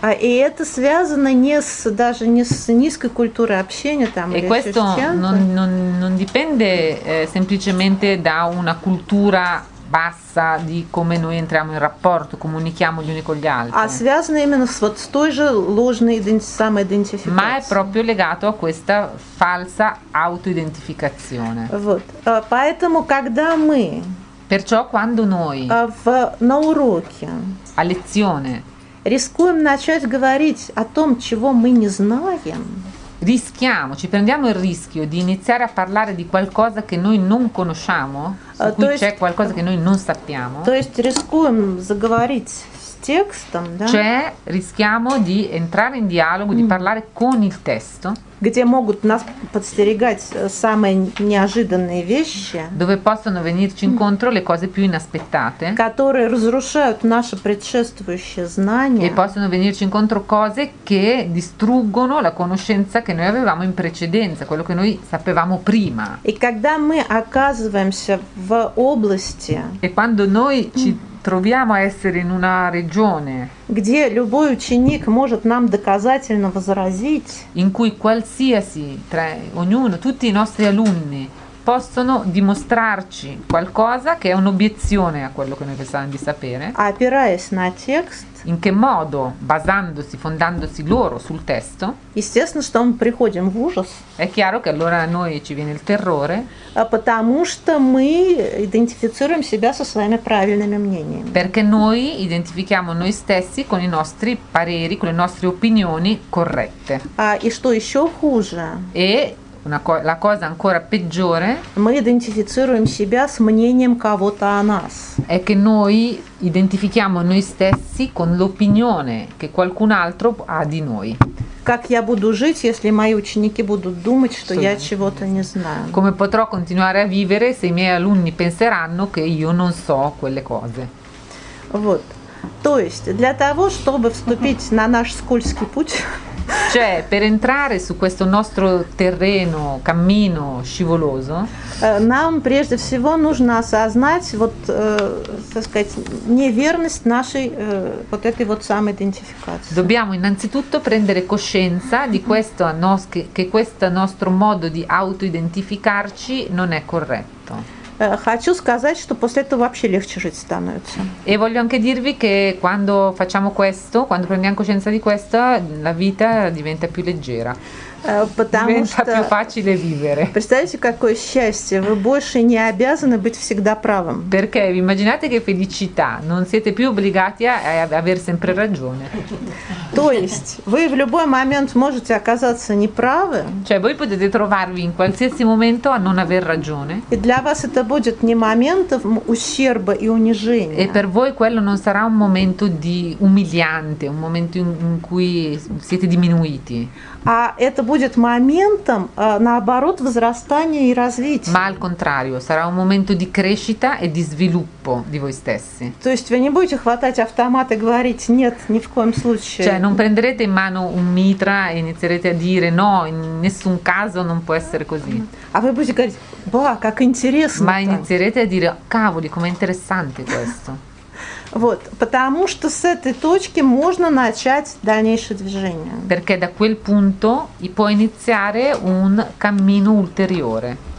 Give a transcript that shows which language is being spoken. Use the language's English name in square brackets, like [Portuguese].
[Russian] А и это связано не с даже не с низкой культурой общения там. [Italian] E questo non dipende semplicemente da una cultura bassa di come noi entriamo in rapporto, comunichiamo gli uni con gli altri. [Russian] А связано именно с вот с той же ложной самоидентификацией. [Italian] Ma è proprio legato a questa falsa autoidentificazione. [Russian] Вот. Поэтому когда мы. [Italian] Perciò quando noi. [Russian] На уроке. [Italian] A lezione. [Russian] Рискуем начать говорить о том, чего мы не знаем. [Italian] Rischiamo, ci prendiamo il rischio di iniziare a parlare di qualcosa che noi non conosciamo, su cui c'è qualcosa che noi non sappiamo. [Russian] То есть рискуем заговорить с текстом, да? [Italian] Cioè rischiamo di entrare in dialogo, di parlare con il testo. [Russian] Где могут нас подстерегать самые неожиданные вещи? [Italian] Dove possono venirci incontro le cose più inaspettate? [Russian] Которые разрушают наше предшествующее знание? [Italian] E possono venirci incontro cose che distruggono la conoscenza che noi avevamo in precedenza, quello che noi sapevamo prima. [Russian] И когда мы оказываемся в области? [Italian] E quando noi ci troviamo a essere in una regione. [Russian] Где любой ученик может нам доказательно возразить? [Italian] In cui qualsiasi tra ognuno, tutti i nostri alunni possono dimostrarci qualcosa che è un'obiezione a quello che noi pensavamo di sapere. [Russian] Опираясь на текст. [Italian] In che modo? Basandosi, fondandosi loro sul testo. [Russian] Естественно, что мы приходим в ужас. [Italian] È chiaro che allora a noi ci viene il terrore. [Russian] Потому что мы идентифицируем себя со своими правильными мнениями. [Italian] Perché noi identifichiamo noi stessi con i nostri pareri, con le nostre opinioni corrette. [Russian] И что еще хуже? [Italian] E la cosa ancora peggiore. [Russian] Мы идентифицируем себя с мнением кого-то о нас. [Italian] È che noi identifichiamo noi stessi con l'opinione che qualcun altro ha di noi. [Russian] Как я буду жить, если мои ученики будут думать, что я чего-то не знаю? [Italian] Come potrò continuare a vivere se i miei alunni penseranno che io non so quelle cose? [Russian] Вот. То есть для того, чтобы вступить на наш скользкий путь. Cioè, per entrare su questo nostro terreno, cammino scivoloso, нам прежде всего нужно осознать вот, так сказать, неверность нашей вот этой вот самой идентификации. [Italian] Dobbiamo innanzitutto prendere coscienza di questo che questo nostro modo di autoidentificarci non è corretto. [Russian] Хочу сказать, что после этого вообще легче жить становится. [Italian] E voglio anche dirvi che quando facciamo questo, quando prendiamo coscienza di questo, la vita diventa più leggera. Diventa più facile vivere. [Russian] Представьте, какое счастье, вы больше не обязаны быть всегда правым. [Italian] Perché vi immaginate che felicità, non siete più obbligati a avere sempre ragione. [Russian] То есть вы в любой момент можете оказаться неправы. [Italian] Cioè voi potete trovarvi in qualsiasi momento a non aver ragione. [Russian] И для вас это будет не моментом ущерба и унижения. [Italian] E per voi quello non sarà un momento di umiliante, un momento in cui siete diminuiti. [Russian] А это будет моментом, наоборот, возрастания и развития. [Italian] Ma al contrario, sarà un momento di crescita e di sviluppo di voi stessi. [Russian] То есть вы не будете хватать автомат и говорить нет ни в коем случае. [Italian] Cioè non prenderete in mano un mitra e inizierete a dire no, in nessun caso non può essere così. [Russian] А вы будете говорить, ба, как интересно. [Italian] Ma inizierete a dire cavoli, com'è interessante questo. [Russian] Вот, потому что с этой точки можно начать дальнейшее движение. [Italian] Perché da quel punto и può iniziare un cammino ulteriore.